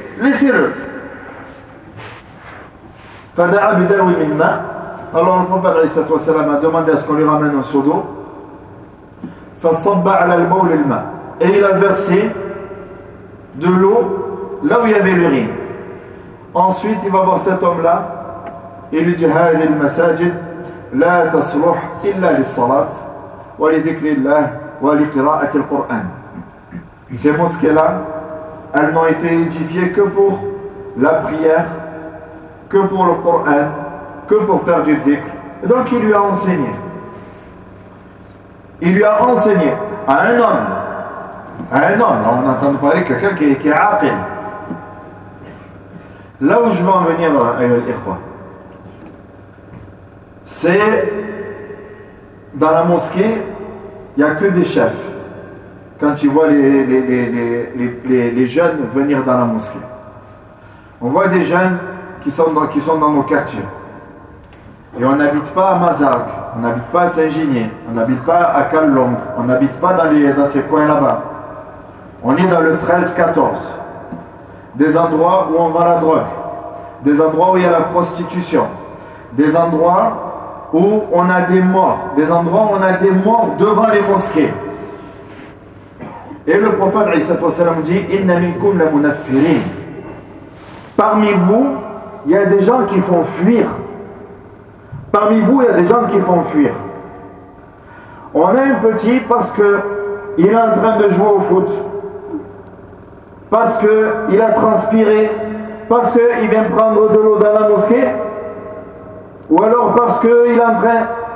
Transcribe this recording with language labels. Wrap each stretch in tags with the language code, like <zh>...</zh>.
<fr>Laissez-le.</fr> <ar>فَدَعَ بِدَرْوِ مِنْ مَا.</ar> <fr>Alors le prophète</fr> <ar>عليه الصلاة والسلام</ar> <fr>a demandé à ce qu'on lui ramène un seau d'eau.</fr> <ar>فَصَبَّ عَلَى الْبَوْلِ الْمَا.</ar> <fr>Et il a versé de l'eau là où il y avait l'urine. Ensuite il va voir cet homme-là et lui dit</fr> <ar>هَذِي الْمَسَاجِدْ لَا تَصْلُحْ إِلَّا لِلصَّلَاةِ وَلِذِكْرِ اللَّهِ وَلِقِرَاءَةِ الْقُرْآنِ.</ar> <fr>Ces mosquées-là, elles n'ont été édifiées que pour la prière, que pour le Coran, que pour faire du dhikr. Et donc il lui a enseigné. Il lui a enseigné à un homme. À un homme, là on est en train de parler de quelqu'un qui est aqil. Là où je veux en venir, ayol ikhwa, c'est dans la mosquée, il n'y a que des chefs. Quand ils voient les jeunes venir dans la mosquée. On voit des jeunes qui sont dans nos quartiers. Et on n'habite pas à Mazarque, on n'habite pas à Saint-Ginier, on n'habite pas à Kallong, on n'habite pas dans ces coins là-bas. On est dans le 13-14. Des endroits où on vend la drogue, des endroits où il y a la prostitution, des endroits où on a des morts, des endroits où on a des morts devant les mosquées. Et le prophète</fr> <ar>عليه الصلاة والسلام</ar> <fr>dit</fr> <ar>إِنَّ مِنْكُمْ لَمُنَفِّرِينَ.</ar> <fr>Parmi vous, il y a des gens qui font fuir. Parmi vous, il y a des gens qui font fuir. On a un petit parce qu'il est en train de jouer au foot, parce qu'il a transpiré, parce qu'il vient prendre de l'eau dans la mosquée, ou alors parce qu'il est en train...</fr>